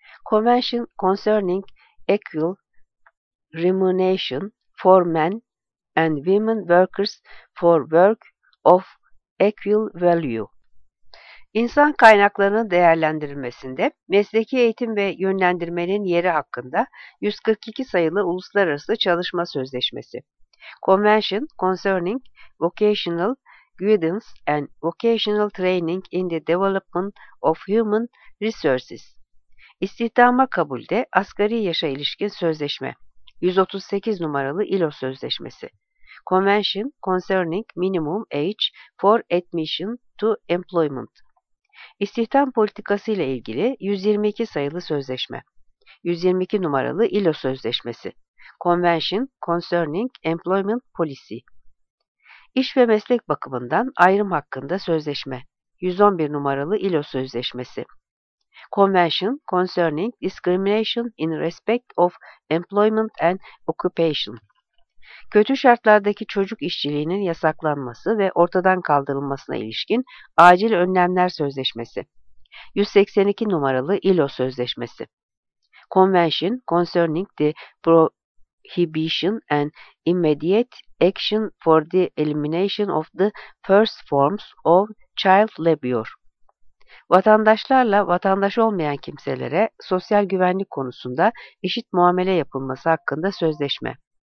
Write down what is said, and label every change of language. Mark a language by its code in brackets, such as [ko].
[en] Convention concerning equal remuneration for men and women workers for work of equal value. [tr] İnsan kaynaklarının değerlendirilmesinde mesleki eğitim ve yönlendirmenin yeri hakkında 142 sayılı Uluslararası Çalışma Sözleşmesi. [en] Convention concerning vocational guidance and vocational training in the development of human resources. [tr] İstihdama kabulde asgari yaşa ilişkin sözleşme. 138 numaralı ILO Sözleşmesi. [en] Convention concerning minimum age for admission to employment. [tr] İstihdam politikası ile ilgili 122 sayılı sözleşme. 122 numaralı ILO Sözleşmesi. [en] Convention concerning employment policy. [tr] İş ve meslek bakımından ayrım hakkında sözleşme. 111 numaralı ILO Sözleşmesi. [en] Convention concerning discrimination in respect of employment and occupation. [tr] Kötü şartlardaki çocuk işçiliğinin yasaklanması ve ortadan kaldırılmasına ilişkin acil önlemler sözleşmesi. 182 numaralı ILO sözleşmesi. [en] Convention concerning the inhibition and immediate action for the elimination of the first forms of child labor. [tr] Vatandaşlarla vatandaş olmayan kimselere sosyal güvenlik konusunda eşit muamele yapılması hakkında sözleşme.